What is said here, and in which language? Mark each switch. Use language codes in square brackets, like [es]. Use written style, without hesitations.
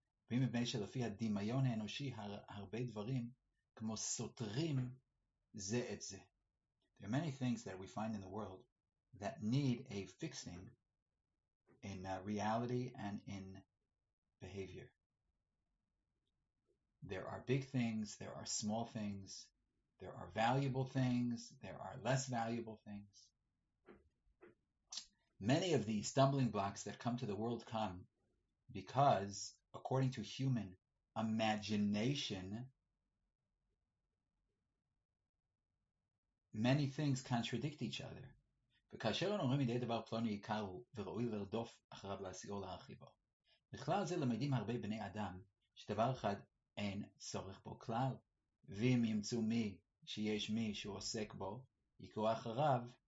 [he] ואם מבני שלפי הדמיון האנושי הרבה דברים כמו סותרים זה את זה. [en] There are many things that we find in the world that need a fixing in reality and in behavior. There are big things, there are small things, there are valuable things, there are less valuable things. Many of the stumbling blocks that come to the world come because according to human imagination, many things contradict each other. [he] וכאשר אנו רואים מדי דבר פלוני עיקר הוא, וראוי לרדוף אחריו להשיאו להרחיבו. בכלל זה למדים הרבה בני אדם, שדבר אחד אין צורך בו כלל. ואם ימצאו מי שיש מי שהוא עוסק בו, יקרו אחריו.